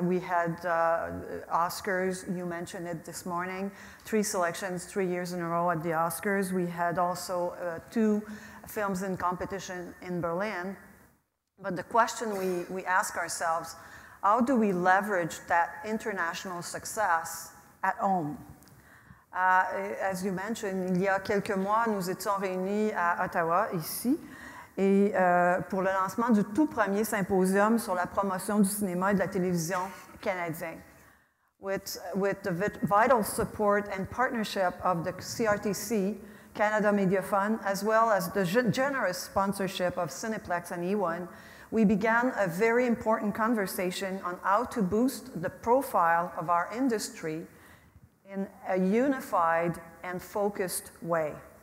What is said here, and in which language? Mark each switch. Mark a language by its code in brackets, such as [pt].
[en] We had Oscars, you mentioned it this morning, 3 selections, 3 years in a row at the Oscars. We had also 2 films in competition in Berlin. But the question we ask ourselves, how do we leverage that international success at home? As you mentioned, [fr] il y a quelques mois, nous étions réunis à Ottawa, ici, et pour le lancement du tout premier symposium sur la promotion du cinéma et de la télévision canadien. [en] With the vital support and partnership of the CRTC, Canada Media Fund, as well as the generous sponsorship of Cineplex and E1, we began a very important conversation on how to boost the profile of our industry in a unified and focused way.